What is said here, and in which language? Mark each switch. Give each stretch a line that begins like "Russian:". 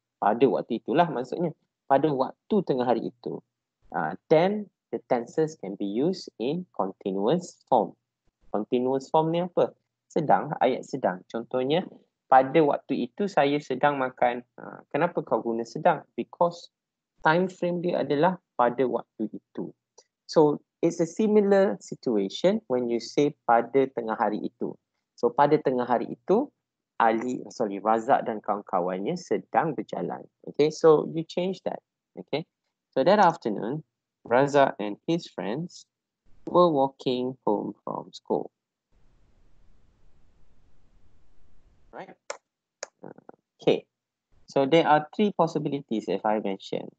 Malay: Pada waktu itulah maksudnya. Pada waktu tengah hari itu.
English: Then the tenses can be used in continuous form.
Malay: Continuous form ni apa? Sedang, ayat sedang. Contohnya, pada waktu itu saya sedang makan. Kenapa kau guna sedang?
English: Because time frame
Malay: dia adalah pada waktu itu.
English: So, it's a similar situation when you say
Malay: pada tengah hari itu. So, pada tengah hari itu, Razak dan kawan-kawannya sedang berjalan.
English: Okay, so you change that. Okay, so that afternoon, Razak and his friends were walking home from school. Right? Okay, so there are three possibilities if I mention.